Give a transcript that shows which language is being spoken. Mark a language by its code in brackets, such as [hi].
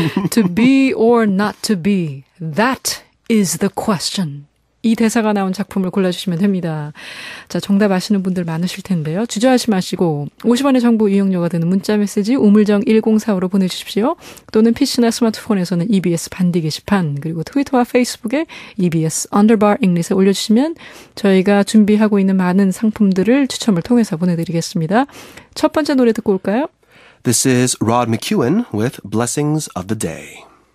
[en] To be or not to be, that is the question. [ko] 이 대사가 나온 작품을 골라주시면 됩니다. 자, 정답 아시는 분들 많으실 텐데요. 주저하지 마시고 50원의 정보 이용료가 되는 문자메시지 우물정 1045로 보내주십시오. 또는 PC나 스마트폰에서는 EBS 반디 게시판 그리고 트위터와 페이스북에 EBS Underbar English에 올려주시면 저희가 준비하고 있는 많은 상품들을 추첨을 통해서 보내드리겠습니다. 첫 번째 노래 듣고 올까요? [en] This is Rod McEwen with Blessings of the Day.